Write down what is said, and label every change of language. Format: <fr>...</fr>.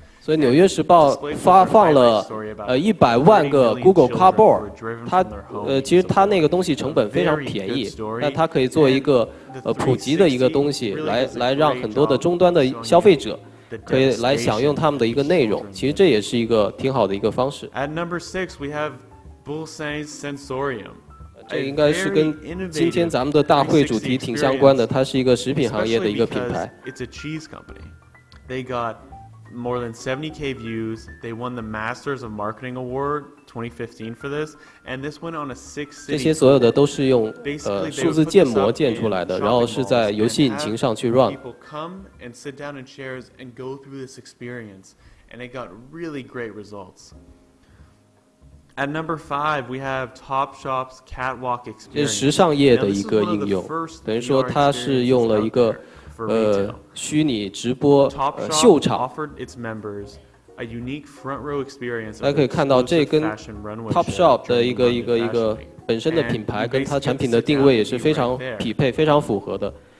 <zh>所以纽约时报发放了100万个 Google Cardboard, 它其实它那个东西成本非常便宜，但它可以做一个普及的一个东西来让很多的终端的消费者 可以来享用他们的一个内容, 其实这也是一个挺好的一个方式。</zh> <en>At number 6, we have Bullseye Sensorium.</en> <zh>这应该是跟今天咱们的大会主题挺相关的，它是一个食品行业的一个品牌。</zh> <en>It's a cheese company. They got more than 70K views. They won the Masters of Marketing Award 2015 for this. And this went on a six-city.</en> <zh>这些所有的都是用数字建模建出来的，然后是在游戏引擎上去 run。</zh> <en>People come and sit down in chairs and go through this experience, and they got really great results. At number five, we have Topshop's Catwalk Experience.</en> <zh>这是时尚业的一个应用，等于说它是用了一个虚拟直播秀场。大家可以看到，这跟 Topshop 的一个本身的品牌跟它产品的定位也是非常匹配、非常符合的。</zh>